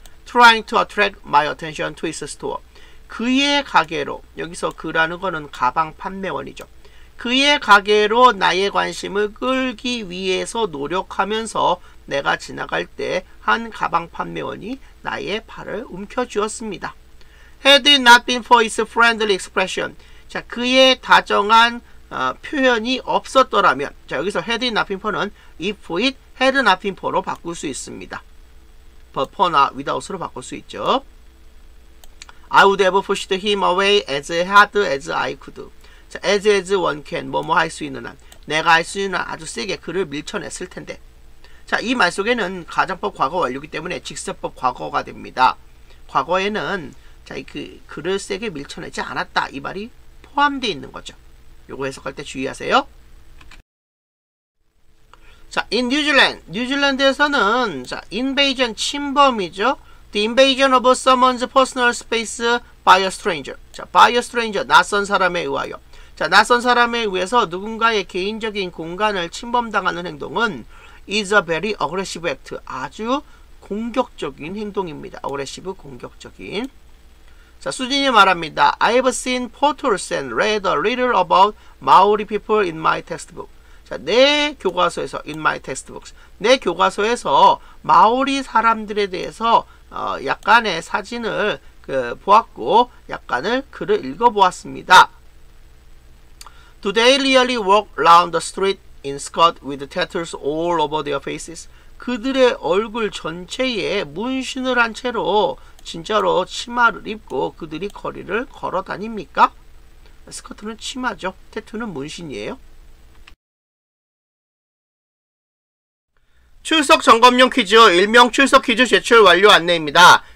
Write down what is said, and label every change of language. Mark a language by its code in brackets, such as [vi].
[en] Trying to attract my attention to his store. [ko] 그의 가게로, 여기서 그라는 거는 가방 판매원이죠. 그의 가게로 나의 관심을 끌기 위해서 노력하면서 내가 지나갈 때 한 가방 판매원이 나의 팔을 움켜쥐었습니다. [en] Had it not been for his friendly expression. [ko] 자, 그의 다정한 표현이 없었더라면, 자, 여기서 had it not been for는 if it had not been for로 바꿀 수 있습니다. But for not without으로 바꿀 수 있죠. [en] I would have pushed him away as hard as I could. [ko] 자, as one can, 뭐뭐 할 수 있는 한. 내가 할 수 있는 한 아주 세게 그를 밀쳐냈을 텐데. 자, 이 말 속에는 가정법 과거 완료이기 때문에 직접법 과거가 됩니다. 과거에는 자, 그를 세게 밀쳐내지 않았다. 이 말이 포함되어 있는 거죠. 요거 해석할 때 주의하세요. 자, in New Zealand. New Zealand에서는 자, invasion, 침범이죠. [en] The invasion of someone's personal space by a stranger. [ko] 자, by a stranger, 낯선 사람에 의하여. 자, 낯선 사람에 의해서 누군가의 개인적인 공간을 침범당하는 행동은 [en] is a very aggressive act. [ko] 아주 공격적인 행동입니다. aggressive, 공격적인. 자, 수진이 말합니다. [en] I've seen portals and read a little about Maori people in my textbook. [ko] 자, 내 교과서에서, in my textbooks. 내 교과서에서 마오리 사람들에 대해서 약간의 사진을 보았고, 약간을 글을 읽어보았습니다. [en] Do they really walk round the street in skirt with tattoos all over their faces? [ko] 그들의 얼굴 전체에 문신을 한 채로 진짜로 치마를 입고 그들이 거리를 걸어 다닙니까? 스커트는 치마죠. 태투는 문신이에요. 출석 점검용 퀴즈, 일명 출석 퀴즈 제출 완료 안내입니다.